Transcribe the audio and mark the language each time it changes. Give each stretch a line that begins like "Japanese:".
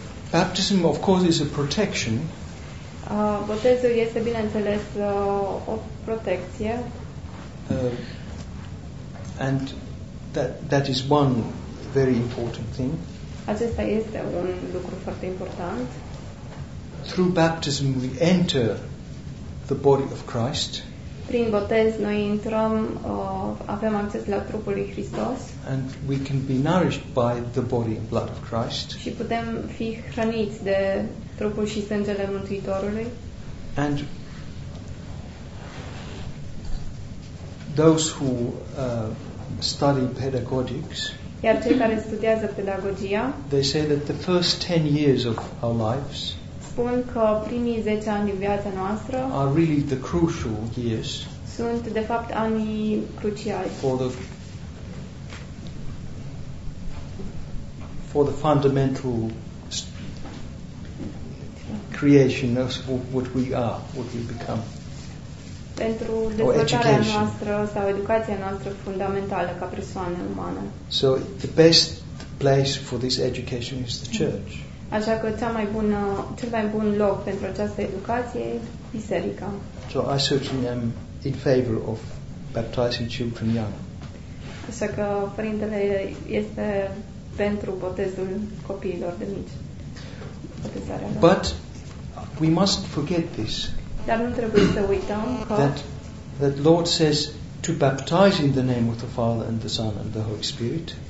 English: Baptism, of course, is a protection.
Romanian: Botezul este, bineînțeles, o protecție.
English: And that is one very important thing.
Romanian: Acesta este un lucru foarte important.
English: Through baptism we enter the body of Christ.
Romanian: Prin botez noi intrăm, avem acces la trupul lui Hristos.
English: And we can be nourished by the body and blood of Christ.
Romanian: Și putem fi hrăniți de trupul și sângele Mântuitorului.
English: And those who study pedagogics,
Romanian: iar cei care studiază pedagogia,
English: they say that the first 10 years of our lives,
Romanian: spun că primii 10 ani din viața noastră,
English: are really the crucial years,
Romanian: sunt de fapt anii cruciali
English: for the fundamental creation of what we are, what we become.
Romanian: Pentru dezvoltarea noastră sau educația noastră fundamentală ca persoană umană.
English: So the best place for this education is the church.
Romanian: Așa că cel mai bun loc pentru această educație e biserica.
English: So I certainly am in favor of baptizing children young.
Romanian: Așa că părintele este pentru botezul copiilor de mici. Botezarea.
English: But we must forget this.
Romanian: Dar nu trebuie să uităm că
English: that Lord says to baptize in the name of the Father and the Son and the Holy Spirit.